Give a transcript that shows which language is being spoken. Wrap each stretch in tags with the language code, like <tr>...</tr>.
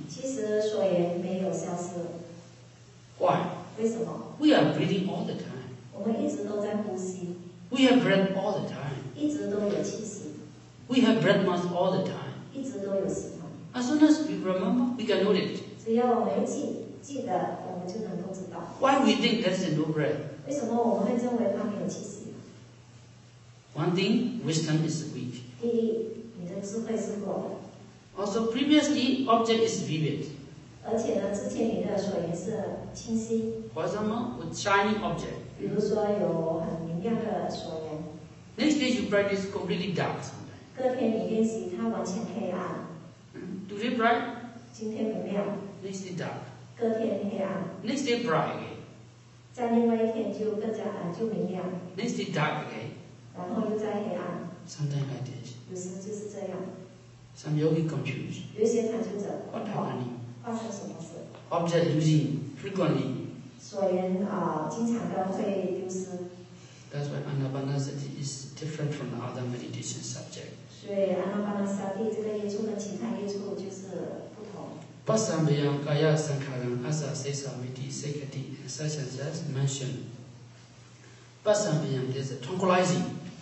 <zh>其实所缘没有消失。</zh> <en>Why?</en> <zh>为什么</zh> <en>？We are breathing all the time.</en> <zh>我们一直都在呼吸。</zh> <en>We have breath all the time.</en> <zh>一直都有气息。</zh> <en>We have breath mask all the time.</en> <zh>一直都有息。</zh> <en>As soon as we remember, we can know it.</en> <zh>只要我们记得，我们就能够知道。</zh> <en>Why we think there is no breath?</en> <zh>为什么我们会认为它没有气息</zh> <en>？One thing, wisdom is weak.</en> <zh>第一，你的智慧是弱的。</zh> <en>Also, previously, object is vivid.</en> <zh>而且呢，之前你的所缘是清晰。</zh> <en>For example, with shining object.</en> <zh>比如说有很明亮的所缘。</zh> <en>Next day, you practice completely dark.</en> <zh>隔天你练习，它完全黑暗。</zh> <en>Today bright.</en> <zh>今天明亮。</zh> <en>Next day dark.</en> <zh>隔天黑暗。</zh> <en>Next day bright again.</en> <zh>在另外一天就更加就明亮。</zh> <en>Next day dark again.</en> <zh>然后又在黑暗。</zh> <en>Something like this.</en> <zh>有时就是这样。</zh> <en>Some yogi confused.</en> <zh>有些产生者。</zh> <en>What happened?</en> <zh>发生什么事</zh> <en>？Object losing frequently.</en> <zh>所缘啊，经常的会丢失。</zh> <en>That's why anapanasati is different from the other meditation subject.</en> <zh>所以anapanasati这个业处跟其他业处就是。</zh> <pi>Pasambhyam kaya sankharam asa sesa viti sekati such as just mentioned.</pi> <en>Pasambhyam is tranquilizing.</en>